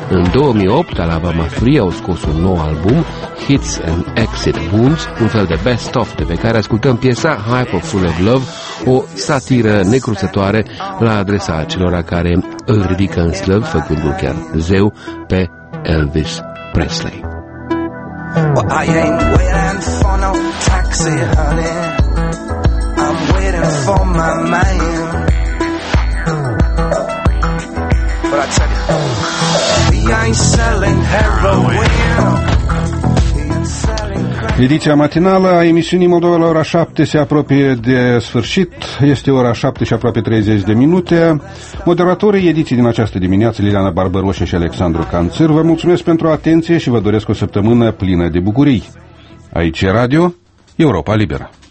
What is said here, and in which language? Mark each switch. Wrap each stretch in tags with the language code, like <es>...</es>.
<ro>În 2008, Alabama 3 au scos un nou album, Hits and Exit Wounds, un fel de best-of de pe care ascultăm piesa Hyper Full of Love, o satiră necruțătoare la adresa acelora care îl ridică în slăv, făcându-l chiar zeu, pe Elvis Presley.</ro> <en>Well, I ain't waiting for no taxi, honey. I'm waiting for my man. But I tell you, we ain't selling heroin. We ain't selling crack.</en> <ro>Ediția matinală a emisiunii Moldova la ora 7 se apropie de sfârșit. Este ora 7 și aproape 30 de minute. Moderatorii ediției din această dimineață, Liliana Barbăroșe și Alexandru Canțir, vă mulțumesc pentru atenție și vă doresc o săptămână plină de bucurii. Aici e Radio Europa Liberă.</ro>